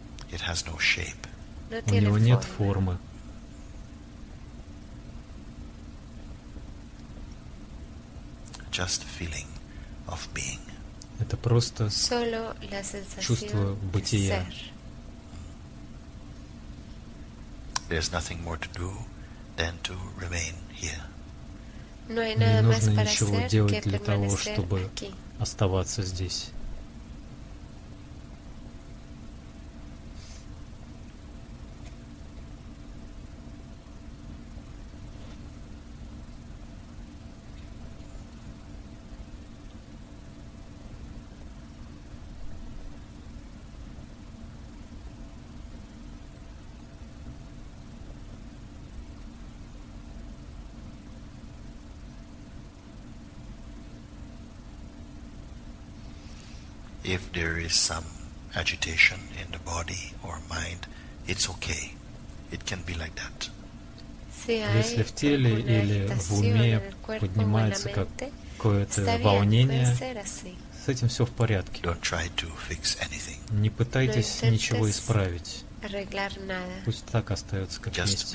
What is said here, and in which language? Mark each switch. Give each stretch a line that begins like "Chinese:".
English: It has no shape.
Russian: У него нет формы.
English: Just feeling of being.
Russian: Это просто чувство бытия.
English: There's nothing more to do than to remain here.
Russian: Не нужно ничего делать для того, чтобы оставаться здесь.
English: If there is some agitation in the body or mind, it's okay. It can be like that.
Russian: Если в теле или в уме поднимается какое-то волнение, с этим все в порядке.
English: Don't try to fix anything.
Russian: Не пытайтесь ничего исправить. Пусть так остается, как есть.